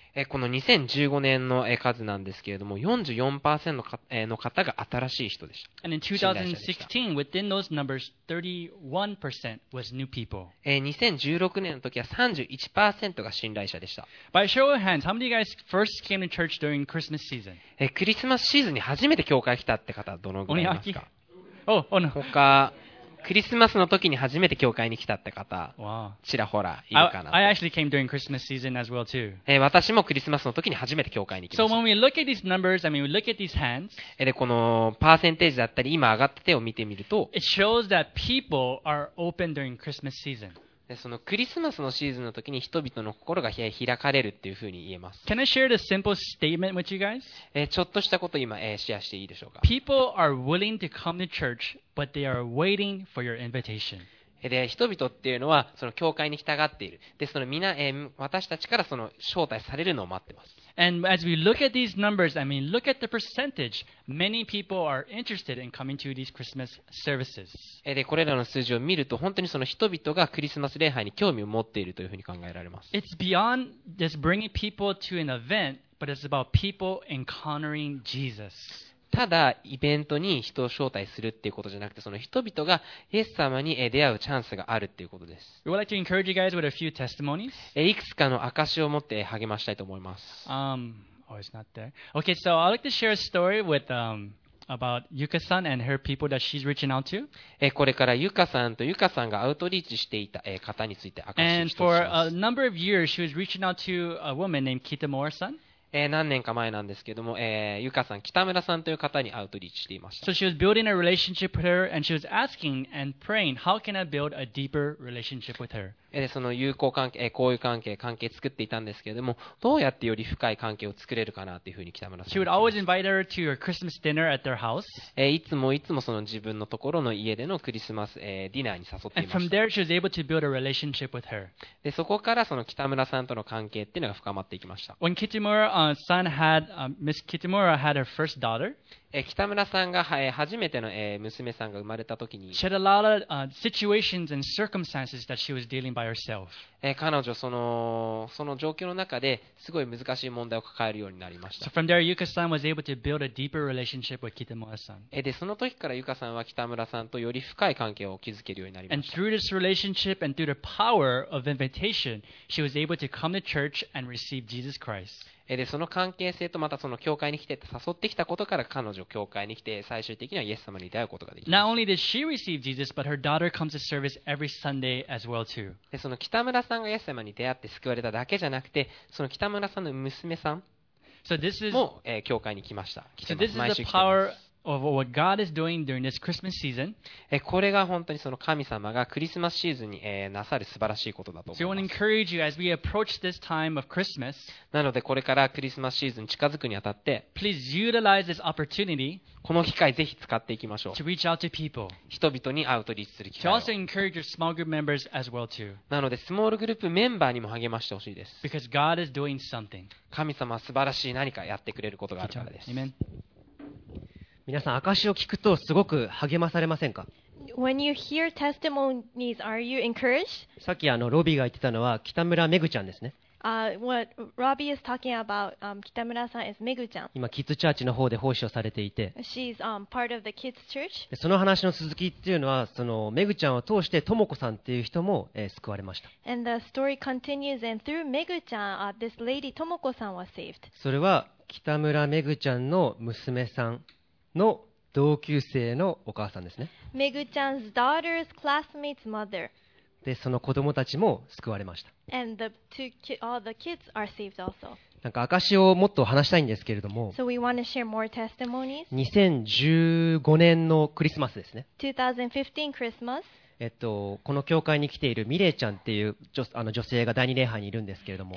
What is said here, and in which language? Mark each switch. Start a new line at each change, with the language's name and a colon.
Japanese: この2015年の数なんですけれども 44% の方が新しい人でした。
English: And in 2016, within those numbers, 31% was new people.
Japanese: 2016年の時は 31% が信頼者でした。
English: By show of hands, how many of you guys first came to church during Christmas season?
Japanese: クリスマスシーズンに初めて教会来たって方はどのぐらいいますか？
English: Oh, oh no.
Japanese: 他、クリスマスの時に初めて教会に来たって方、wow. ちらほらいるかな。
English: I actually came during Christmas season as well too.
Japanese: 私もクリスマスの時に初めて教会に来ました。
English: So when we look at these numbers, I mean we look at these hands,
Japanese: でこのパーセンテージだったり今上がった手を見てみると、
English: It shows that people are open during Christmas season.
Japanese: でそのクリスマスのシーズンの時に人々の心が開かれるっていうふうに言えます。
English: Can I share a simple statement with you guys?
Japanese: ちょっとしたことを今、シェアしていいでしょうか。
English: People are willing to come to churchBut they are waiting for your invitation.
Japanese: で、人々っていうのはその教会に従っている。で、そのみな、私たちからその招待されるのを待ってます。
English: And as we look at these numbers, I mean, look at the percentage. Many people are interested in coming to these Christmas services.
Japanese: で、これらの数字を見ると、本当にその人々がクリスマス礼拝に興味を持っているというふうに考えられます。
English: It's beyond just bringing people to an event, but it's about people encountering Jesus.
Japanese: ただイベントに人を招待するっていうことじゃなくて、その人々がイエス様に出会うチャンスがあるっていうことです。
English: We would like to encourage you guys with a few testimonies.
Japanese: いくつかの証を持って励ましたいと思います。
English: Oh, it's not there. Okay, so I'd like to share a story with about Yuka-san and her people that she's reaching out to.
Japanese: これからユカさんとユカさんがアウトリーチしていた方について明かします。
English: And for a number of years, she was reaching out to a woman named Kitamura-san.
Japanese: 何年か前なんですけども、ユカさん、北村さんという方にアウトリーチしていました。
English: So she was building a relationship with her, and she was asking and praying, how can I build a deeper relationship with her?
Japanese: で、その友好関係、交友関係、関係作っていたんですけれども、どうやってより深い関係を作れるかなというふうに北村さんは。
English: She would always invite her to her Christmas dinner at their house.
Japanese: いつもいつもその自分のところの家でのクリスマス、ディナーに誘っていました。
English: And from there, she was able to build a relationship with her.
Japanese: で、そこからその北村さんとの関係っていうのが深まっていきました。
English: When Kitamura, son had, Miss Kitamura had her first daughter.
Japanese: 北村さんが初めての娘さんが生まれた時に。
English: She had a lot of situations and circumstances that she was dealing by herself.
Japanese: 彼女その状況の中ですごい難しい問題を抱えるようになりました。
English: So from there, Yuka-san was able to build a deeper relationship with Kitamura-san.
Japanese: で、その時からユカさんは北村さんとより深い関係を築けるようになりました。
English: And through this relationship and through the power of invitation, she was able to come to church and receive Jesus Christ.
Japanese: で、その関係性とまたその教会に来て誘ってきたことから彼女教会に来て最終的にはイエス様に出会うことができた。
English: Not only did she receive Jesus, but her daughter comes to service every Sunday as well too.
Japanese: で、その北村さんがイエス様に出会って救われただけじゃなくて、その北村さんの娘さんも教会に来ました。
English: So this is the power of what God is doing during this Christmas season.
Japanese: これが本当にその神様がクリスマスシーズンになさる素晴らしいことだと思います。
English: So I want to encourage you as we approach this time of Christmas.
Japanese: なのでこれからクリスマスシーズン近づくにあたって、
English: Please utilize this opportunity.
Japanese: この機会ぜひ使っていきましょう。
English: To reach out to people.
Japanese: 人々にアウトリーチする機会。
English: To also encourage your small group members as well too.
Japanese: なのでスモールグループメンバーにも励ましてほしいです。
English: Because God is doing something.
Japanese: 神様は素晴らしい何かやってくれることがあるからです。
English: Amen.
Japanese: 皆さん、証を聞くとすごく励まされませんか？
English: When you hear testimonies, are you encouraged?
Japanese: さっきロビーが言ってたのは北村めぐちゃんですね。
English: What Robbie is talking about, 北村さん is Megu ちゃん。
Japanese: 今、キッズチャーチの方で奉仕をされていて。
English: She's part of the kids church.
Japanese: その話の続きっていうのは、めぐちゃんを通して、ともこさんっていう人も、救われました。
English: And the story continues, and through Megu ちゃん, this lady, ともこさん was saved.
Japanese: それは、北村めぐちゃんの娘さん。の同級生のお母さんですね。メグちゃんの
English: daughter's classmate's mother。
Japanese: で、その子供たちも救われました。
English: And the two kids, all the kids are saved also.
Japanese: なんか証をもっと話したいんですけれども。
English: So we want to share more testimonies.
Japanese: 2015年のクリスマスですね。
English: 2015 Christmas。
Japanese: この教会に来ているミレイちゃんっていう 女性が第二礼拝にいるんですけれども、